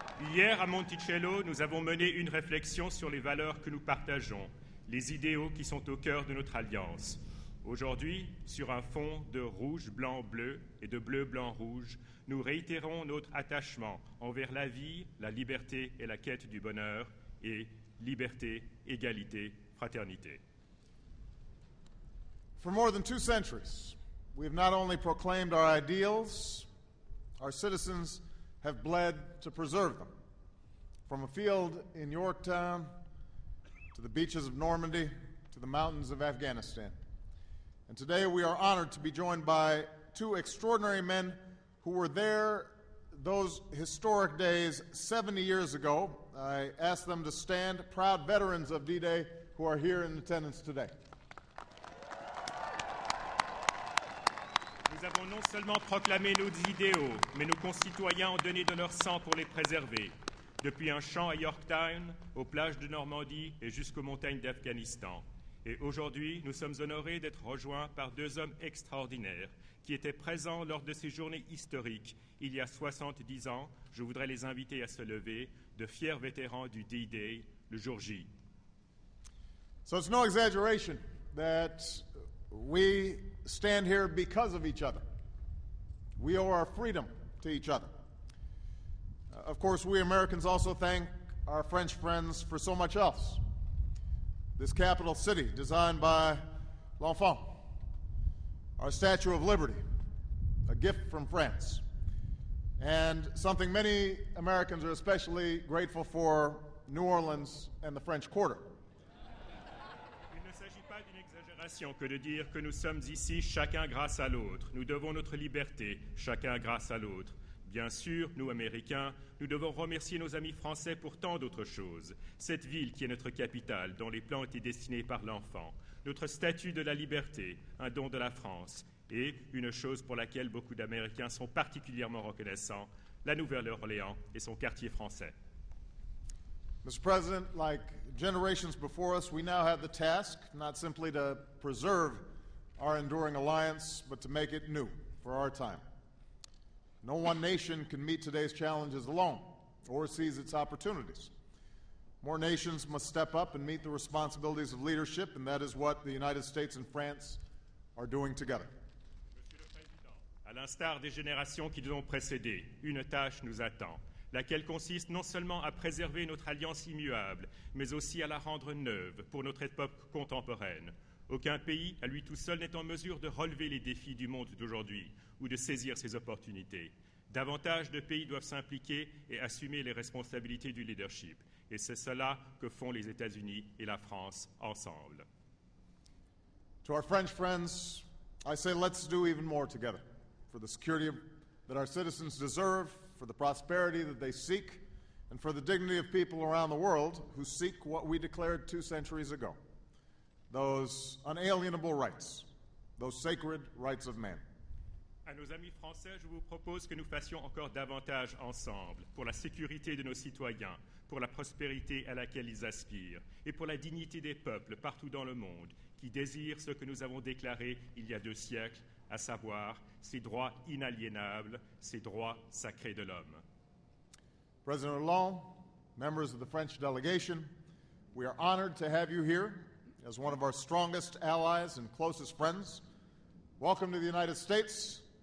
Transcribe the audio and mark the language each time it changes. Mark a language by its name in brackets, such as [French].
[French] Hier, à Monticello, nous avons mené une réflexion sur les valeurs que nous partageons, les idéaux qui sont au cœur de notre alliance. Aujourd'hui, sur un fond de rouge, blanc, bleu et de bleu, blanc, rouge, nous réitérons notre attachement envers la vie, la liberté et la quête du bonheur et liberté, égalité, fraternité. [English] For more than two centuries, we have not only proclaimed our ideals, our citizens have bled to preserve them. From a field in Yorktown to the beaches of Normandy to the mountains of Afghanistan. And today we are honored to be joined by two extraordinary men who were there those historic days 70 years ago. I ask them to stand, proud veterans of D-Day who are here in attendance today. [French] Nous avons non seulement proclamé nos idéaux, mais nos concitoyens ont donné de leur sang pour les préserver. Depuis un champ à Yorktown, aux plages de Normandie et jusqu'aux montagnes d'Afghanistan. Et aujourd'hui, nous sommes honorés d'être rejoints par deux hommes extraordinaires qui étaient présents lors de ces journées historiques il y a 70 ans. Je voudrais les inviter à se lever, de fiers vétérans du D-Day, le jour J. [English] So it's no exaggeration that we stand here because of each other. We owe our freedom to each other. Of course, we Americans also thank our French friends for so much else. This capital city designed by L'Enfant, our Statue of Liberty, a gift from France, And something many Americans are especially grateful for, New Orleans and the French Quarter. [French] Il ne s'agit pas d'une exagération que de dire que nous sommes ici chacun grâce à l'autre. Nous devons notre liberté, chacun grâce à l'autre. Bien sûr, nous, Américains, nous devons remercier nos amis français pour tant d'autres choses. Cette ville qui est notre capitale, dont les plans étaient destinés par l'enfant. Notre statue de la liberté, un don de la France. Et une chose pour laquelle beaucoup d'Américains sont particulièrement reconnaissants, la Nouvelle-Orléans et son quartier français. [English] Mr. President, like generations before us, we now have the task not simply to preserve our enduring alliance, but to make it new for our time. No one nation can meet today's challenges alone or seize its opportunities. More nations must step up and meet the responsibilities of leadership, and that is what the United States and France are doing together. [French] Monsieur le Président, à l'instar des générations qui nous ont précédés, une tâche nous attend, laquelle consiste non seulement à préserver notre alliance immuable, mais aussi à la rendre neuve pour notre époque contemporaine. Aucun pays, à lui tout seul, n'est en mesure de relever les défis du monde d'aujourd'hui ou de saisir ses opportunités. Davantage de pays doivent s'impliquer et assumer les responsabilités du leadership. Et c'est cela que font les États-Unis et la France ensemble. [English] To our French friends, I say let's do even more together for the security that our citizens deserve, for the prosperity that they seek, and for the dignity of people around the world who seek what we declared two centuries ago. Those unalienable rights, those sacred rights of man. [French] À nos amis français, je vous propose que nous fassions encore davantage ensemble pour la sécurité de nos citoyens, pour la prospérité à laquelle ils aspirent et pour la dignité des peuples partout dans le monde qui désirent ce que nous avons déclaré il y a deux siècles, à savoir ces droits inaliénables, ces droits sacrés de l'homme. [English] President Hollande, members of the French delegation, we are honored to have you here. As one of our strongest allies and closest friends, welcome to the United States.